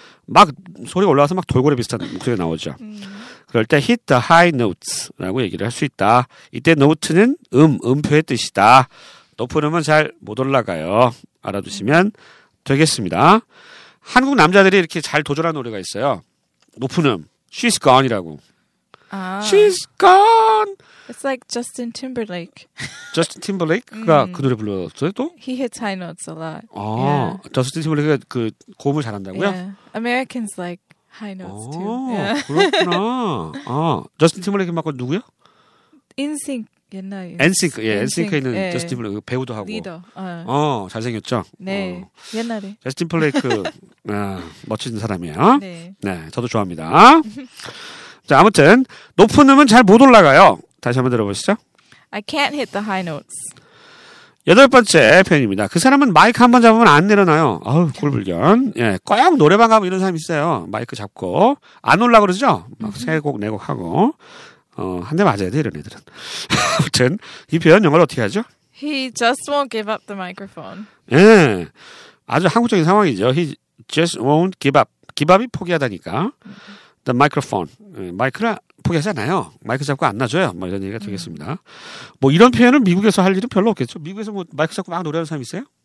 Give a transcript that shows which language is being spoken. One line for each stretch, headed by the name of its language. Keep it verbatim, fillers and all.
Korean: 막 소리가 올라와서 막 돌고래 비슷한 목소리가 나오죠. 음. 그럴 때
English: hit the high notes
Korean: 라고 얘기를 할 수 있다. 이때 note는 음, 음표의 뜻이다. 높은 음은 잘 못 올라가요. 알아두시면 음. 되겠습니다. 한국 남자들이 이렇게 잘 도전한 노래가 있어요. 높은 음. She's gone이라고. 아.
English: She's gone. It's like Justin Timberlake.
Korean: Justin Timberlake가 음. 그 노래 불렀어요 또?
English: He hits high notes a lot. 아, yeah.
Korean: Justin Timberlake가 그 고음을 잘한다고요?
English: Yeah. Americans like high notes
Korean: 아,
English: too. Yeah.
Korean: 그렇구나. 아, Justin Timberlake 맞고 누구요? 인싱크 옛날. 엔싱크, 예, 엔싱크에 있는 예. Justin Timberlake 배우도 하고. 리더. 어, 어 잘생겼죠. 네, 어. 옛날에. Justin Timberlake 아, 멋진 사람이에요. 네. 네, 저도 좋아합니다. 자, 아무튼 높은 음은 잘 못 올라가요. 다시 한번 들어보시죠.
English: I can't hit the high notes.
Korean: 여덟 번째 표현입니다. 그 사람은 마이크 한번 잡으면 안 내려놔요. 아우, 꼴불견. 예, 꼭 노래방 가면 이런 사람 있어요. 마이크 잡고 안 올라 그러죠. 막 세 곡 네 곡 하고 어, 한 대 맞아야 돼 이런 애들은. 아무튼 이 표현 영어로 어떻게 하죠?
English: He just won't give up the microphone.
Korean: 예, 아주 한국적인 상황이죠.
English: He just won't give up.
Korean: give up이 포기하다니까.
English: The microphone.
Korean: 예, 마이크를 포기하잖아요. 마이크 잡고 안 놔줘요. 뭐 이런 얘기가 되겠습니다. 음. 뭐 이런 표현은 미국에서 할 일은 별로 없겠죠. 미국에서 뭐 마이크 잡고 막 노래하는 사람 있어요?